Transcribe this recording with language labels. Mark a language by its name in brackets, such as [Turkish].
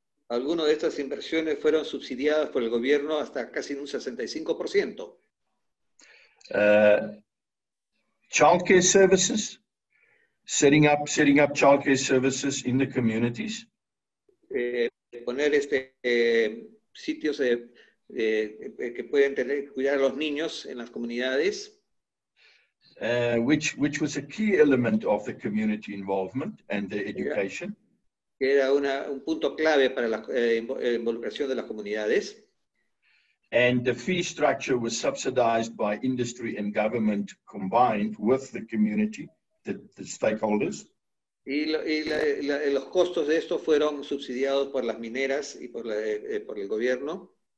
[Spanish] Algunas de estas inversiones fueron subsidiadas por el gobierno hasta casi un 65%. [English] Childcare services, setting up childcare services in the communities. [Spanish] Poner sitios que pueden tener cuidar a los niños en las comunidades. [English] Which was a key element of the community involvement and the education. [Spanish] Que era un punto clave para la involucración de las comunidades. [English] And the fee structure was subsidized by industry and government combined with the community, the stakeholders. [Spanish] Y los costos de esto fueron subsidiados por las mineras y por el gobierno.